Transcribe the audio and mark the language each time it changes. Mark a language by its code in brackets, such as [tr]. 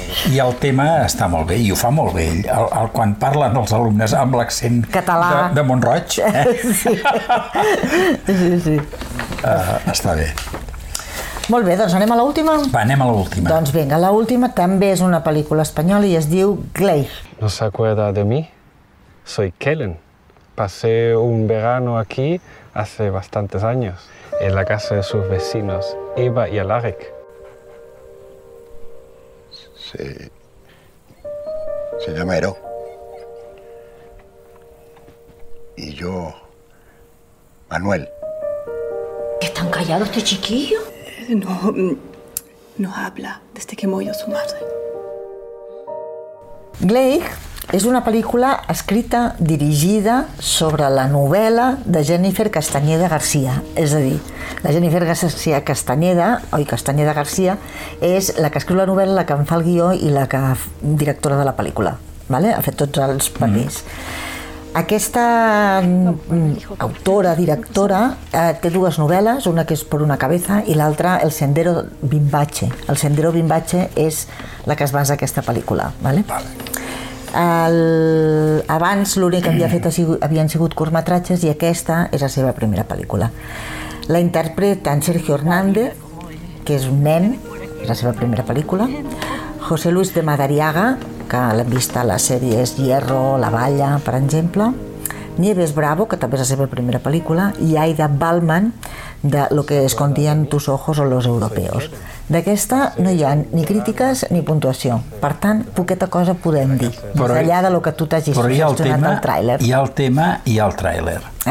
[ca] I el tema està molt bé, i ho fa molt bé, el quan parlen els alumnes amb l'accent català de Mont-roig. Sí. Està bé. Molt bé, doncs anem a l'última? Va, anem a l'última. Doncs vinga, l'última també és una pel·lícula espanyola i es diu Gleir. [es] No s'acuerda de mi? Soy Kellen. Pasé un verano aquí hace bastantes años, en la casa de sus vecinos, Eva y Alaric. Sí. Se llama Ero. Y yo, Manuel. ¿Están callados este chiquillo? No habla desde que murió su madre. Gleig. [ca] És una pel·lícula escrita, dirigida, sobre la novel·la de Jennifer Castañeda García. És a dir, la Jennifer García Castañeda García és la que escriu la novel·la, la que en fa el guió i la que directora de la pel·lícula. ¿Vale? Ha fet tots els papers. Aquesta autora, directora, té dues novel·les, una que és Por una cabeza i l'altra El sendero bimbache. El sendero bimbache és la que es basa aquesta pel·lícula. ¿Vale? Vale. Abans l'únic que havia fet havien sigut curtmetratges i aquesta és la seva primera pel·lícula. La interpreta en Sergio Hernández, que és un nen, és la seva primera pel·lícula. José Luis de Madariaga, que l'hem vist a les sèries Hierro, La Valla, per exemple. Nieves Bravo, que també és la seva primera pel·lícula. I Aida Balman, de Lo que escondían tus ojos o Los europeos. D'aquesta no hi ha ni crítiques ni puntuació. Per tant, poqueta cosa podem dir. Però, des d'allà de lo que tu t'hagis sugestionat del tràiler. Hi ha el tema i el tràiler.